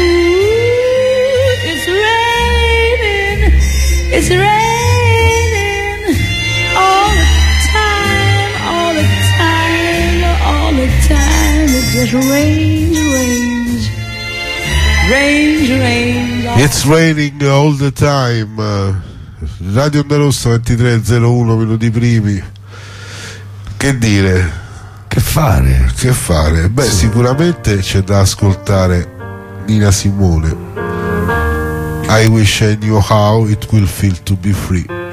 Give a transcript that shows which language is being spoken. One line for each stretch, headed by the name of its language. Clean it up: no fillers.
English: Ooh, it's raining all the time, all the time, all the time. It just rains, rains, rains, rains. It's raining all the time.
Italian: Radio Onda Rossa 23.01, meno di primi. Che dire? Che fare? Che fare? Beh, sì, sicuramente c'è da ascoltare Nina Simone.
English: I wish I knew how it will feel to be free.